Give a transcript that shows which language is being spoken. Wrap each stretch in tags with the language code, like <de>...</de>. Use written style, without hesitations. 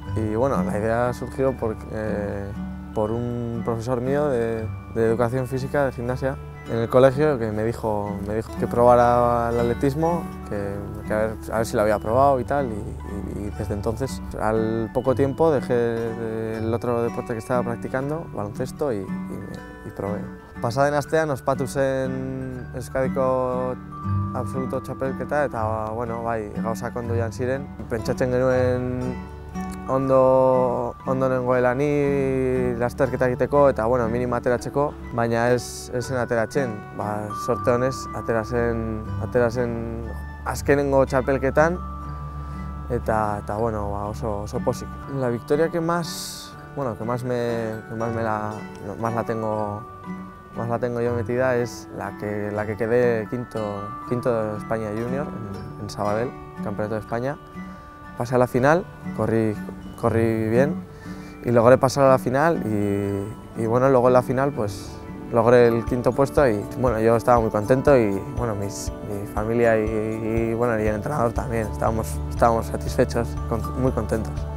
<es>Y bueno, la idea surgió por un profesor mío de educación física, de gimnasia, en el colegio, que me dijo que probara el atletismo, que a ver si lo había probado y tal, y desde entonces, al poco tiempo, dejé el otro deporte que estaba practicando, baloncesto, y probé.</es> <eu>Pasaden astean, ospatu zen Euskadiko absoluto txapelketa, eta, bueno, bai, gauzak ondo joan ziren. Pentsatzen genuen ondo nengoela ni lasterketa egiteko eta bueno, minima ateratzeko, baina ez zen ateratzen. Ba, sorte honez, ateratzen azkenengo txapelketan eta bueno, ba, oso pozik.</eu> <es>La victoria que más, bueno, que más la tengo yo metida es la que quedé quinto de España Junior en Sabadell, Campeonato de España. Pasé a la final, corrí bien y logré pasar a la final y bueno, luego en la final pues logré el quinto puesto y bueno, yo estaba muy contento y bueno, mi familia y bueno, y el entrenador también, estábamos satisfechos, muy contentos.</es>